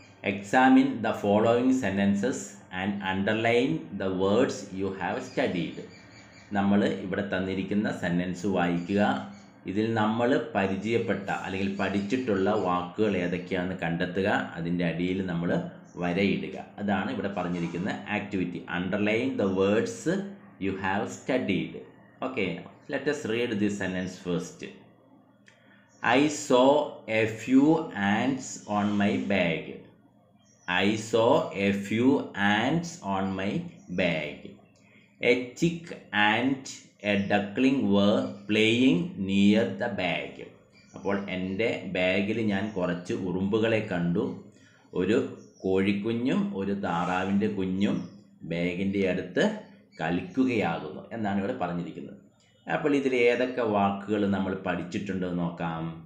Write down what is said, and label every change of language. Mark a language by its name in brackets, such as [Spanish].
[English] Examine the following sentences and underline the words you have studied. [Malayalam] നമ്മൾ ഇവിടെ തന്നിരിക്കുന്ന sentence വായിക്കുക. ഇതിൽ നമ്മൾ പരിചയപ്പെട്ട അല്ലെങ്കിൽ പഠിച്ചിട്ടുള്ള വാക്കുകൾ ഏതൊക്കെയാണെന്ന് കണ്ടെത്തുക. അതിൻ്റെ അടിയിൽ നമ്മൾ വരയിടുക. അതാണ് ഇവിടെ പറഞ്ഞിരിക്കുന്ന activity. [English] Underline the words you have studied. Okay, let us read this sentence first. I saw a few ants on my bag. I saw a few ants on my bag. A chick ant a duckling were playing near the bag. [Malayalam] അപ്പോൾ എൻ്റെ ബാഗിൽ ഞാൻ കുറച്ച് ഉറുമ്പുകളെ കണ്ടു. ഒരു കോഴിക്കുഞ്ഞും ഒരു താറാവിൻ്റെ കുഞ്ഞും ബാഗിൻ്റെ അടുത്ത് കളിക്കുകയാകുന്നു എന്നാണ് ഇവിടെ പറഞ്ഞിരിക്കുന്നത്. അപ്പോൾ ഇതിൽ ഏതൊക്കെ വാക്കുകൾ നമ്മൾ പഠിച്ചിട്ടുണ്ടെന്ന് നോക്കാം.